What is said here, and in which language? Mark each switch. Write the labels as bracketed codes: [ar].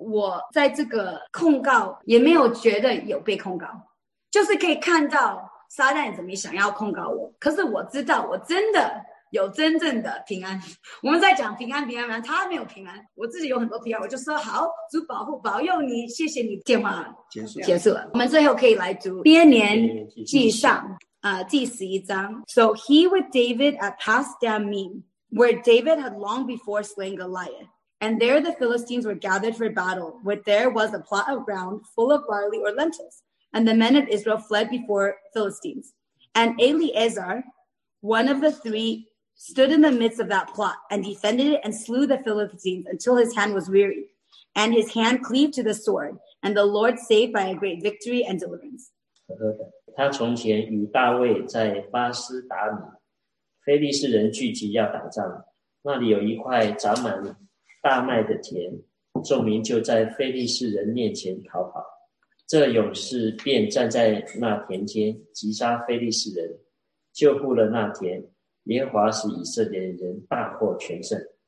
[zh] 我在这个控告也没有觉得有被控告，就是可以看到撒旦怎么想要控告我，可是我知道我真的有真正的平安，我们在讲平安，他没有平安，我自己有很多平安，我就说好主保护保佑你，谢谢你电话结束了我们最后可以来读编年记上第11章 [en] So he with David at Pasdammim, where David had long before slain Goliath, and there the Philistines were gathered for battle, where there was a plot of ground full of barley or lentils, and the men of Israel fled before Philistines. And Eliezer, one of the three, stood in the midst of that plot, and defended it and slew the Philistines until his hand was weary, and his hand cleaved to the sword, and the Lord saved by a great victory and deliverance. [zh] 他从前与大卫在巴斯达米，非利士人聚集要打仗，那里有一块长满大麦的田，众民就在非利士人面前逃跑，这勇士便站在那田间击杀非利士人，救护了那田，耶和华使以色列人大获全胜。